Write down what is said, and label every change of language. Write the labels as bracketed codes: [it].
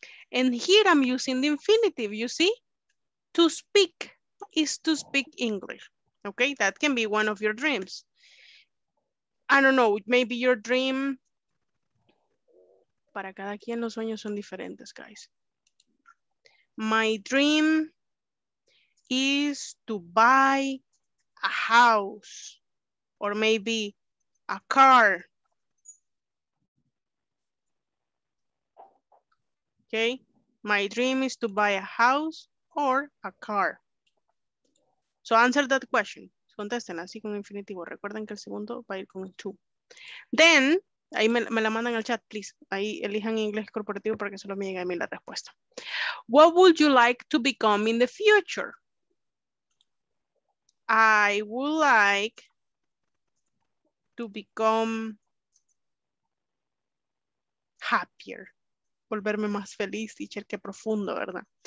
[en] And here I'm using the infinitive, you see? To speak is to speak English. Okay, that can be one of your dreams. I don't know, maybe your dream. [es] Para cada quien los sueños son diferentes, guys. [en] My dream is to buy a house or maybe a car. Okay, my dream is to buy a house or a car. So answer that question. [es] Contesten así con infinitivo. Recuerden que el segundo va a ir con el to. Then, ahí me la mandan al chat, please. Ahí elijan inglés corporativo porque solo me llega a mí la respuesta. [en] What would you like to become in the future? I would like to become happier. [es] Volverme más feliz, teacher, qué profundo, ¿verdad?